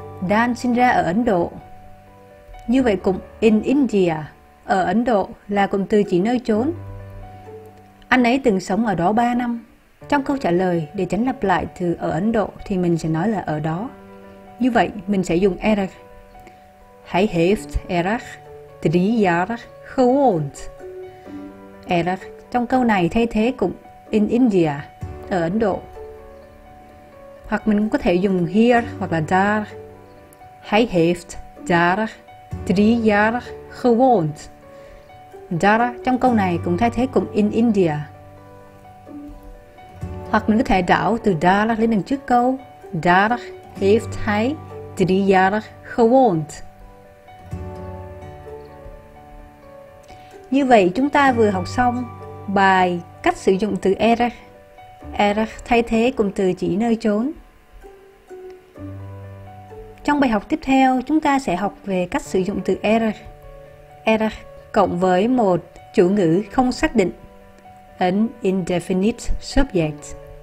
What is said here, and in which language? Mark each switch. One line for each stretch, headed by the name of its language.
Vietnamese: Dan sinh ra ở Ấn Độ. Như vậy cụm in India ở Ấn Độ là cụm từ chỉ nơi chốn. Anh ấy từng sống ở đó 3 năm. Trong câu trả lời, để tránh lặp lại từ ở Ấn Độ thì mình sẽ nói là ở đó. Như vậy, mình sẽ dùng er.
Dutch: Hij heeft er 3 jaar gewoond.
Vietnamese: Er trong câu này thay thế cụm in India ở Ấn Độ. hoặc mình cũng có thể dùng here hoặc là där.
Dutch: Hij heeft daar 3 jaar gewoond.
Vietnamese: Daar trong câu này cũng thay thế cụm in India. Hoặc mình có thể đảo từ daar lên đằng trước câu.
Dutch: Daar heeft hij 3 jaar gewoond.
Vietnamese: Như vậy chúng ta vừa học xong bài cách sử dụng từ er. Er thay thế cụm từ chỉ nơi chốn. Trong bài học tiếp theo, chúng ta sẽ học về cách sử dụng từ er. Er cộng với một chủ ngữ không xác định,
English: an indefinite subject.